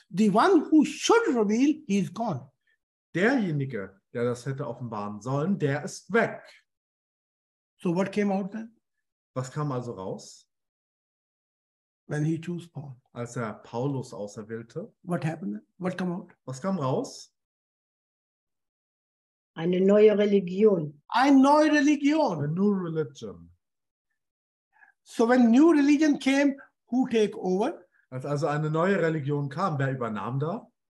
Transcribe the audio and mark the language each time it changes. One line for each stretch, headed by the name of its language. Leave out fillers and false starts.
English: The one who should reveal, he is gone.
German: Derjenige, der das hätte offenbaren sollen, der ist weg.
English: So what came out then?
German: Was kam also raus?
English: When he chose Paul.
German: Als er Paulus auserwählte.
English: What happened? What came out?
German: Was kam raus? Eine neue Religion. Eine neue Religion.
English: A new religion. So when new religion came, who take over?
German: Als also eine neue Religion kam, wer übernahm da?